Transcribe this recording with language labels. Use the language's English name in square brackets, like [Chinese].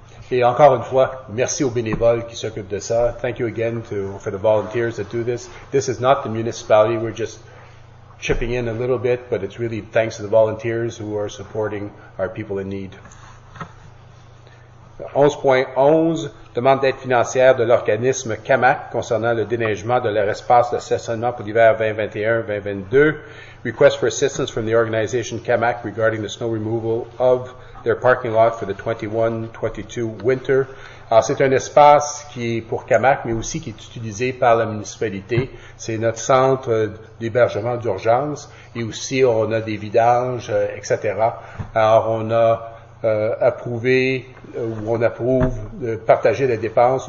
[French] Et encore une fois, merci aux bénévoles qui s'occupent de ça. [English] Thank you again for the volunteers that do this. This is not the municipality. We're just chipping in a little bit, but it's really thanks to the volunteers who are supporting our people in need. [French] 11.11, demande d'aide financière de l'organisme CAMAC concernant le déneigement de leur espace de stationnement pour l'hiver 2021-2022. [English] Request for assistance from the organization CAMAC regarding the snow removal of their parking lot for the 21-22 winter. [French] Alors, c'est un espace qui est pour CAMAC, mais aussi qui est utilisé par la municipalité. C'est notre centre d'hébergement d'urgence et aussi on a des vidanges, etc. Alors, on a approuve de partager les dépenses.